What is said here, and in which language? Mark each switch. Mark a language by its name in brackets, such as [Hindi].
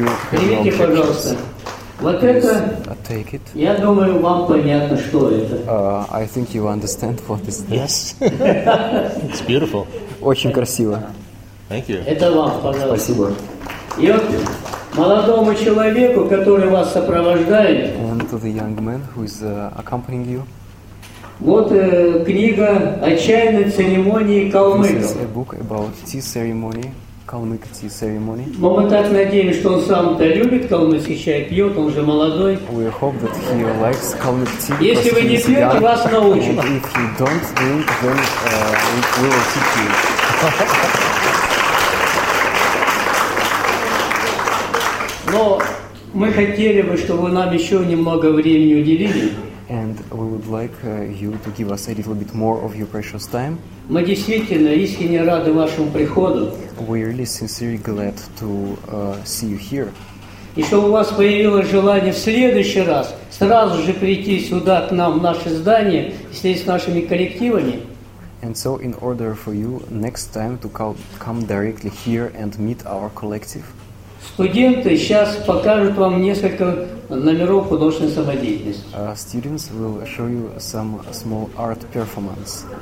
[Russian] Примите, пожалуйста. Вот это, [English] take it. [Russian] Я думаю, вам понятно, что это. [English] I think you understand what is this. Yes. It's beautiful. [Russian] Очень красиво. [English] Thank you. [Russian] Это вам, пожалуйста. Спасибо. И вот молодому человеку, который вас сопровождает. [English] And to the young man who is accompanying you. [Russian] Вот книга «Отчаянной церемонии калмыков». [English] This is a book about tea ceremony. [Russian] Калмыцкий церемоний. Мы так надеемся, что он сам-то любит калмыцкий чай, пьет, он же молодой. [English] We hope that he likes калмыцкий. [Russian] Если вы не пьете, вас научим. [English] And if you don't drink, then we will teach you. [Russian] Но мы хотели бы, чтобы вы нам еще немного времени уделили. [English] And we would like you to give us a little bit more of your precious time. [Russian] Мы действительно искренне рады вашему приходу. [English] We are really sincerely glad to see you here. [Russian] И чтобы у вас появилось желание в следующий раз сразу же прийти сюда к нам в наше здание и встретиться с нашими коллективами. [English] And so in order for you next time to come directly here and meet our collective. [Russian] Студенты сейчас покажут вам несколько номеров художественной самодеятельности. [English] Students will show you some small art performance.